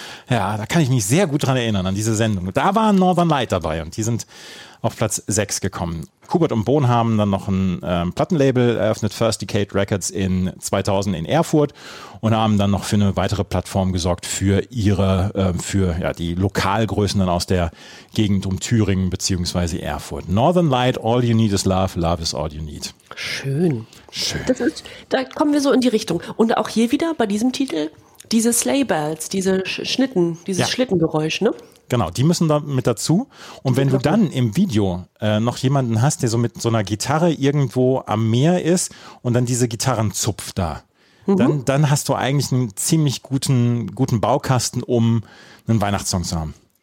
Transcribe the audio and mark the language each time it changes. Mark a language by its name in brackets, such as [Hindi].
[German] Ja, da kann ich mich sehr gut dran erinnern, an diese Sendung. Da war Northern Light dabei und die sind auf Platz 6 gekommen. Kubert und Bohn haben dann noch ein Plattenlabel eröffnet, First Decade Records in 2000 in Erfurt, und haben dann noch für eine weitere Plattform gesorgt für ihre, die Lokalgrößen dann aus der Gegend um Thüringen beziehungsweise Erfurt. [English] Northern Light, all you need is love, love is all you need. [German] Schön. Schön. Da kommen wir so in die Richtung. Und auch hier wieder bei diesem Titel, diese Sleigh Bells, diese Schnitten, dieses Schlittengeräusch, ne? Genau, die müssen da mit dazu. Und wenn du dann im Video noch jemanden hast, der so mit so einer Gitarre irgendwo am Meer ist und dann diese Gitarren zupft da, dann hast du eigentlich einen ziemlich guten Baukasten, um einen Weihnachtssong zu haben.